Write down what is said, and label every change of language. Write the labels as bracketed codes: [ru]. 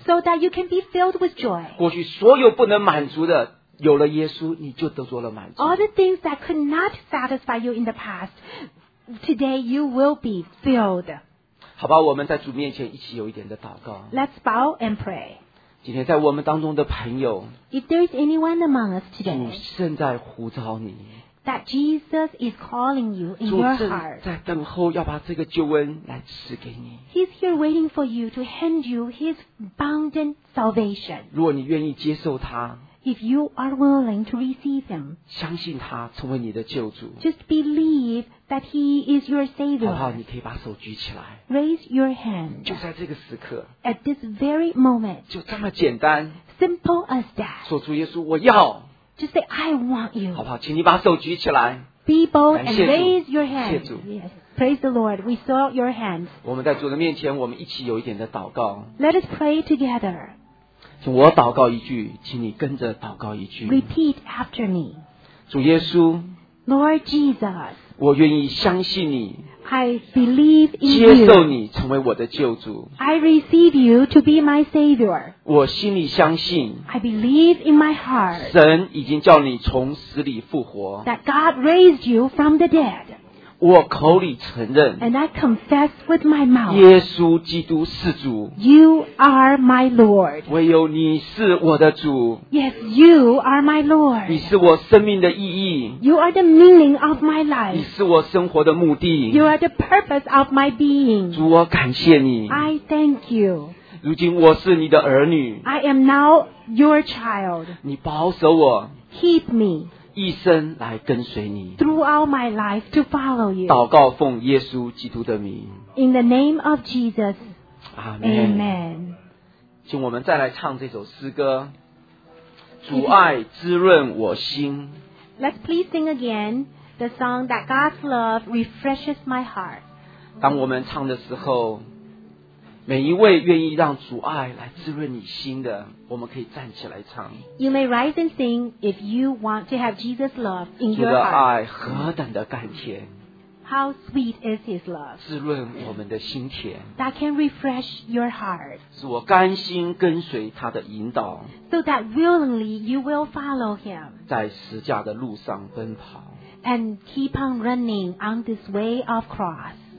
[en] So that you can be filled with joy [zh] 过去所有不能满足的有了耶稣你就得着了满足 [en] All the things that could not satisfy you in the past Today you will be filled [zh] 好吧我们在主面前一起有一点的祷告 [en] Let's bow and pray [zh] 今天在我们当中的朋友 [en] If there is anyone among us today [zh] 主正在呼召你 [en] That Jesus is calling you in your heart [zh] 主正在等候要把这个救恩来赐给你 [en] He's here waiting for you to hand you his abundant salvation [zh] 如果你愿意接受他 [en] If you are willing to receive him [zh] 相信他成为你的救主 [en] Just believe that he is your savior [zh] 好不好你可以把手举起来 [en] raise your hand [zh] 就在这个时刻 [en] at this very moment [zh] 就这么简单 [en] simple as that [zh] 说出耶稣我要 [en] just say I want you [zh] 好不好请你把手举起来 [en] be bold and raise your hand [zh] 谢主、 [en] yes. praise the Lord we saw your hand [zh] 我们在主的面前我们一起有一点的祷告 [en] let us pray together [zh] 请我祷告一句请你跟着祷告一句 [en] repeat after me [zh] 主耶稣 [en] Lord Jesus [zh] 我愿意相信你 [en] I believe in you [zh] 接受你成为我的救主 [en] I receive you to be my savior [zh] 我心里相信 [en] I believe in my heart [zh] 神已经叫你从死里复活 [en] That God raised you from the dead [zh] 我口里承认 [en] And I confess with my mouth [zh] 耶稣基督是主 [en] You are my Lord [zh] 唯有你是我的主 [en] Yes, you are my Lord [zh] 你是我生命的意义 [en] You are the meaning of my life [zh] 你是我生活的目的 [en] You are the purpose of my being [zh] 主我感谢你 [en] I thank you [zh] 如今我是你的儿女 [en] I am now your child [zh] 你保守我 [en] Keep me [zh] 一生来跟随你 [en] Throughout my life to follow you [zh] 祷告奉耶稣基督的名 [en] In the name of Jesus Amen, Amen. [zh] 请我们再来唱这首诗歌主爱滋润我心 [en] Let's please sing again The song that God's love refreshes my heart [zh] 当我们唱的时候每一位愿意让主爱来滋润你心的我们可以站起来唱 [en] You may rise and sing if you want to have Jesus' love in your heart [zh] 主的爱何等的甘甜 [en] How sweet is His love? [zh] 滋润我们的心田。 [en] That can refresh your heart. [zh] 使我甘心跟随他的引导。 [en] So that willingly you will follow Him. [zh] 在十字架的路上奔跑。 [en] And keep on running on this way of cross.